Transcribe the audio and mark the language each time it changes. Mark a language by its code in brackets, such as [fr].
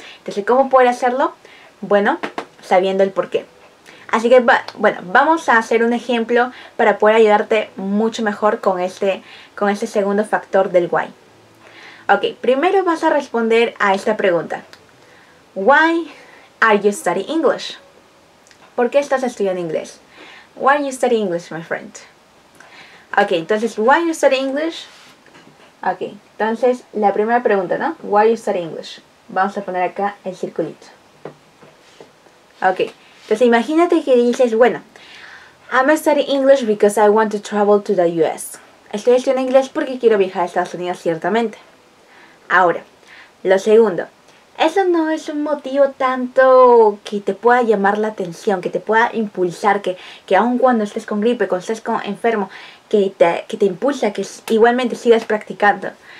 [es] Entonces, ¿cómo poder hacerlo? Bueno, sabiendo el porqué. Así que, bueno, vamos a hacer un ejemplo para poder ayudarte mucho mejor con este segundo factor del why. Ok, primero vas a responder a esta pregunta. [en] Why are you studying English? [es] ¿Por qué estás estudiando inglés? [en] Why are you studying English, my friend? Ok, entonces, why are you studying English? [es] Ok, entonces, la primera pregunta, ¿no? [en] Why are you studying English? [es] Vamos a poner acá el circulito. Ok. Entonces imagínate que dices, bueno, [en] I'm studying English because I want to travel to the US. [es] Estoy estudiando inglés porque quiero viajar a Estados Unidos, ciertamente. Ahora, lo segundo, eso no es un motivo tanto que te pueda llamar la atención, que te pueda impulsar, que aun cuando estés con gripe, cuando estés enfermo, que te impulsa, que igualmente sigas practicando.